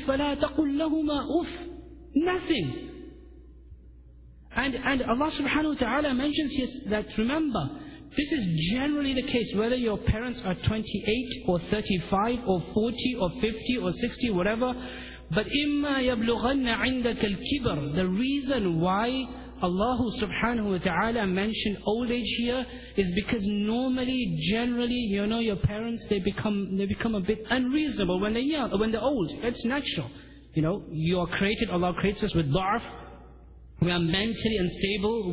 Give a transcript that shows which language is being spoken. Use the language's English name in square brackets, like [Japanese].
[Arabic] فَلَا تَقُلْ لَهُمَا أُفْ. [English] Nothing. And Allah subhanahu wa ta'ala mentions here that, remember, this is generally the case, whether your parents are 28 or 35 or 40 or 50 or 60, whatever. But [Arabic] إِمَّا يَبْلُغَنَّ عِنْدَكَ الْكِبَرُ. [English] The reason why Allah subhanahu wa ta'ala mentioned old age here is because normally, generally, you know, your parents, they become a bit unreasonable when they're young, when they're old. It's natural. You know, you are created, Allah creates us with da'af. We are mentally unstable.